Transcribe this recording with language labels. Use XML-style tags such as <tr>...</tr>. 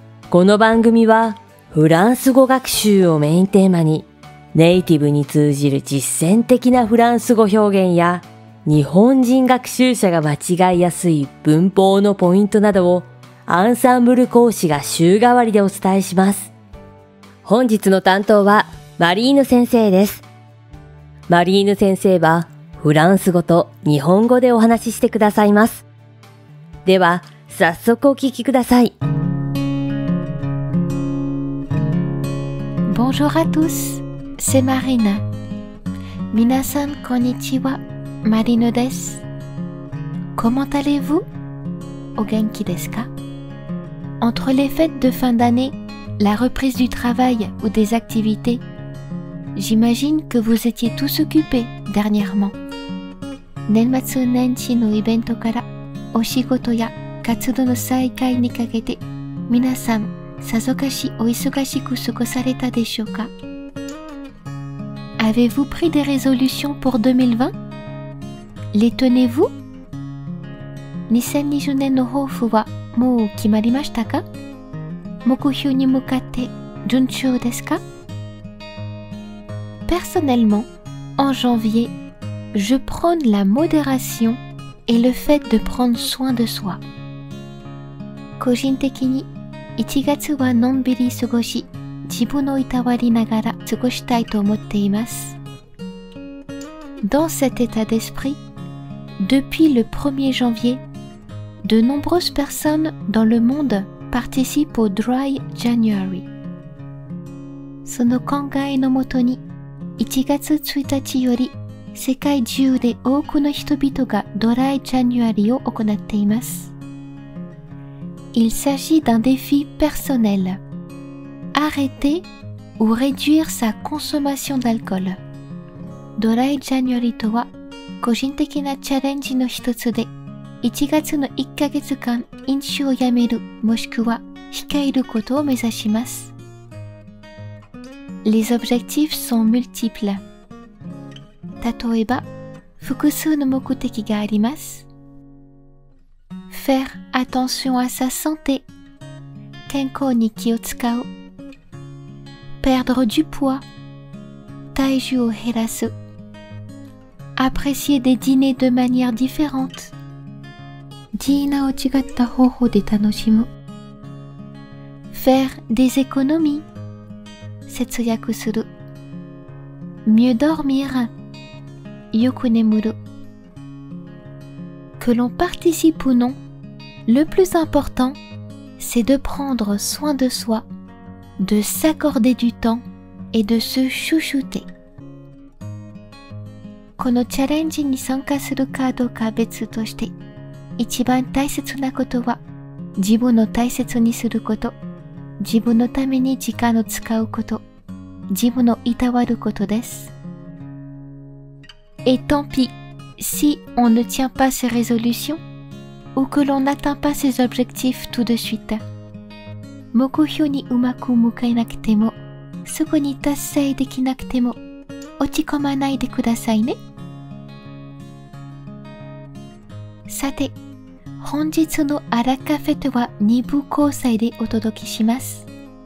<ja>この番組はフランス語学習をメインテーマに、ネイティブに通じる実践的なフランス語表現や、日本人学習者が間違いやすい文法のポイントなどをアンサンブル講師が週替わりでお伝えします。本日の担当はマリーヌ先生です。マリーヌ先生はフランス語と日本語でお話ししてくださいます。では早速お聞きください。</ja> <fr>Bonjour à tous, c'est Marina.</fr> <ja>皆さんこんにちは、マリーヌです。</ja> <fr>Comment allez-vous?</fr> <ja>お元気ですか?</ja> <fr>Entre les fêtes de fin d'année, la reprise du travail ou des activités, j'imagine que vous étiez tous occupés dernièrement.</fr> <ja>年末年始のイベントからお仕事や活動の再開にかけて、皆さんさぞかしお忙しく過ごされたでしょうか。</ja> <fr>Avez-vous pris des résolutions pour 2020? Les tenez-vous?</fr> <ja>2020年の抱負はもう決まりましたか？目標に向かって順調ですか？</ja> <fr>Personnellement, en janvierJe prône la modération et le fait de prendre soin de soi.</fr> <ja>個人的に1月はのんびり過ごし、自分のいたわりながら過ごしたいと思っています。</ja> <fr>Dans cet état d'esprit, depuis le 1er janvier, de nombreuses personnes dans le monde participent au Dry January.</fr> <ja>その考えのもとに、1月1日より世界中で多くの人々がドライジャニュアリーを行っています。</ja> <fr>Il s'agit d'un défi personnel. Arrêter ou réduire sa consommation d'alcool.</fr> <ja>ドライジャニュアリーとは、個人的なチャレンジの一つで、1月の1ヶ月間飲酒をやめる、もしくは控えることを目指します。</ja> <fr>Les objectifs sont multiples.</fr> <ja>例えば、複数の目的があります。</ja> <fr>Faire attention à sa santé.</fr> <ja>健康に気を使う。</ja> <fr>Perdre du poids.</fr> <ja>体重を減らす。</ja> <fr>Apprécier des dîners de manière différente.</fr> <ja>ディナーを違った方法で楽しむ。</ja> <fr>Faire des économies.</fr> <ja>節約する。</ja> <fr>Mieux dormir.</fr> <ja>よく眠る。</ja> <fr>Que l'on participe ou non, le plus important, c'est de prendre soin de soi, de s'accorder du temps et de se chouchouter.</fr> <ja>このチャレンジに参加するかどうか別として、一番大切なことは、自分を大切にすること、自分のために時間を使うこと、自分をいたわることです。</ja> <fr>Et tant pis, si on ne tient pas ses résolutions ou que l'on n'atteint pas ses objectifs tout de suite.</fr> <ja>目標にうまく向かえなくても、そこに達成できなくても、落ち込まないでくださいね。さて、本日のアラカフェとは2部構成でお届けします。</ja>